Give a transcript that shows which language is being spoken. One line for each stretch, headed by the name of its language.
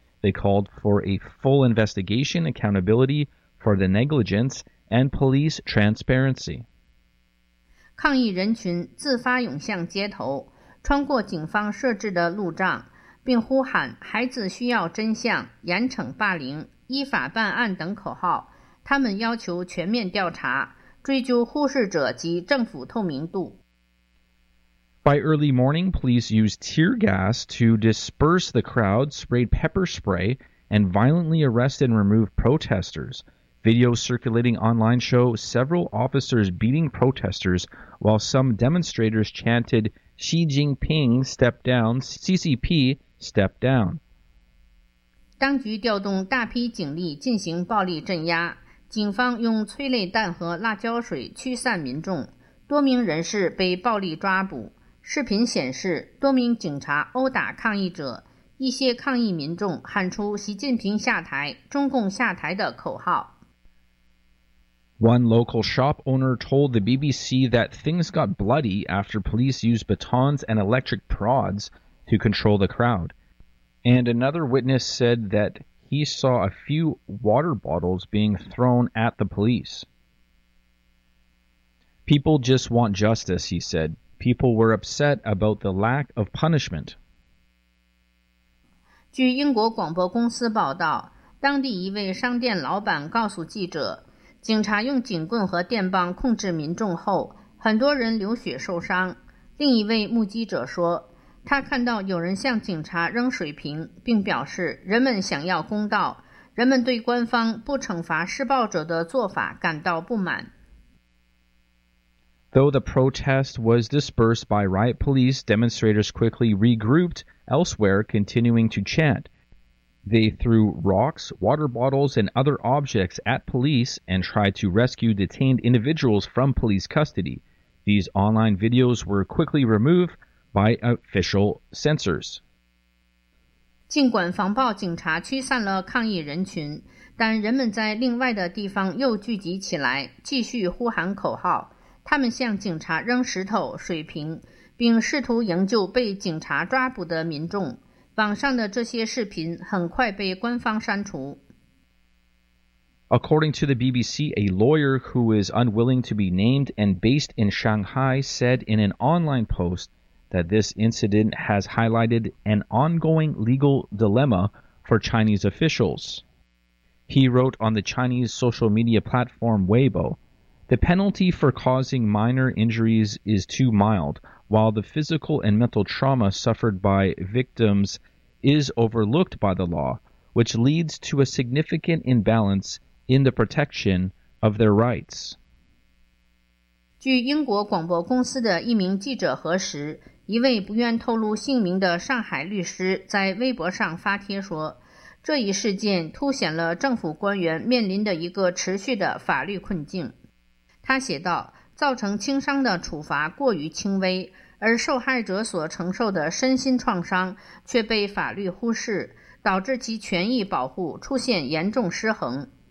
English: They called for a full investigation, accountability for the negligence, and police transparency.
Chinese: 抗议人群自发涌向街头，穿过警方设置的路障，并呼喊孩子需要真相、严惩霸凌、依法办案等口号。他们要求全面调查，追究护士者及政府透明度。
English: By early morning, police used tear gas to disperse the crowd, sprayed pepper spray, and violently arrest and remove protesters. Videos circulating online show several officers beating protesters while some demonstrators chanted, Xi Jinping, step down, CCP, step down.
Chinese: 当局调动大批警力进行暴力镇压，警方用催泪弹和辣椒水驱散民众，多名人士被暴力抓捕。视频显示，多名警察殴打抗议者，一些抗议民众喊出“习近平下台，中共下台”的口号。
English: One local shop owner told the BBC that things got bloody after police used batons and electric prods to control the crowd. And another witness said that he saw a few water bottles being thrown at the police. People just want justice, he said. People were upset about the lack of punishment.
Chinese: 据英国广播公司报道，当地一位商店老板告诉记者，警察用警棍和电棒控制民众后，很多人流血受伤。另一位目击者说，他看到有人向警察扔水瓶，并表示人们想要公道，人们对官方不惩罚施暴者的做法感到不满。
English: Though the protest was dispersed by riot police, demonstrators quickly regrouped elsewhere, continuing to chant. They threw rocks, water bottles, and other objects at police and tried to rescue detained individuals from police custody. These online videos were quickly removed by official censors.
Chinese: 尽管防暴警察驱散了抗议人群，但人们在另外的地方又聚集起来，继续呼喊口号。他们向警察扔石头、水瓶，并试图营救被警察抓捕的民众。网上的这些视频很快被官方删除。
English: According to the BBC, a lawyer who is unwilling to be named and based in Shanghai said in an online post that this incident has highlighted an ongoing legal dilemma for Chinese officials. He wrote on the Chinese social media platform Weibo,The penalty for causing minor injuries is too mild, while the physical and mental trauma suffered by victims is overlooked by the law, which leads to a significant imbalance in the protection of their rights.
Chinese: 据英国广播公司的一名记者核实，一位不愿透露姓名的上海律师在微博上发帖说，这一事件凸显了政府官员面临的一个持续的法律困境。他写道，造成轻伤的处罚过于轻微，而受害者所承受的身心创伤却被法律忽视，导致其权益保护出现严重失衡。